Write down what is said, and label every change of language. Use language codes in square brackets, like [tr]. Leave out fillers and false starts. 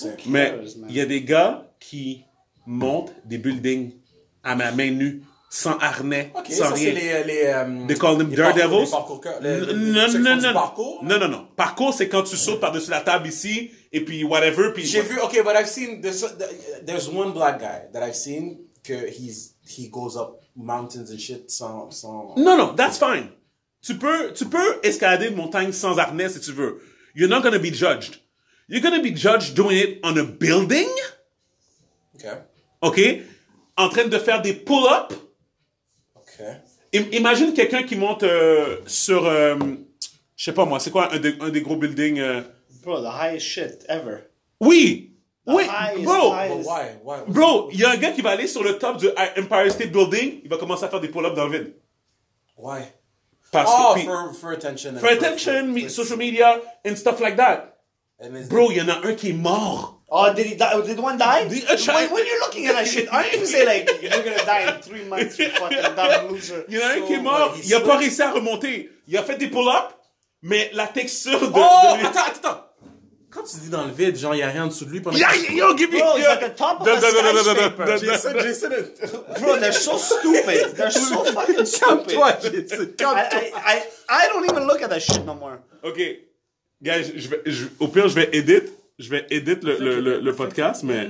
[fr] Mais il y a des gars qui montent des buildings à ma main nue. sans harnais, [en] okay, [fr] sans ça, rien. C'est les, [en] they call them daredevils. [fr] Non. Parcours? Non. Parcours, c'est quand tu sautes par-dessus la table ici, et puis whatever. Puis j'ai vu, [en] OK, but I've seen, there's one black guy that I've seen, que he goes up mountains and shit sans... No, that's fine. [fr] Tu peux escalader une montagne sans harnais si tu veux. [en] You're not going to be judged. You're going to be judged doing it on a building. OK. [fr] En train de faire des pull-ups. [en] OK. [fr] Imagine quelqu'un qui monte sur... je sais pas moi, c'est quoi un des gros buildings? [en] Bro, the highest shit ever. [fr] Oui. [en] The [fr] oui, [en] highest, bro. Highest. Why? [fr] Bro, il y a un gars qui va aller sur le top du Empire State Building. Il va commencer à faire des pull-ups dans le vide. [en] Why? [fr] Parce [en] oh, [fr] que, [en] for attention. For attention, social media, and stuff like that. [fr] Bro, il y en a un qui est mort. [en] Oh, did one die? When you're looking at that shit, aren't you going to say like, you're going to die in 3 months, you fucking dumb loser. [fr] Il y en a un qui est mort. Il n'a pas réussi à remonter. Il a fait des pull-ups, mais la texture de... Oh, attends. Quand tu dis dans le vide, genre, il n'y a rien dessous de lui pendant... [en] Yo, give me... Bro, it's like the top of a skyscraper. Jason, bro, they're so stupid. They're so fucking stupid. [fr] Calme-toi. [en] I don't even look at that shit no more. [fr] Okay. Guys, au pire, je vais edit. Je vais edit le podcast, mais...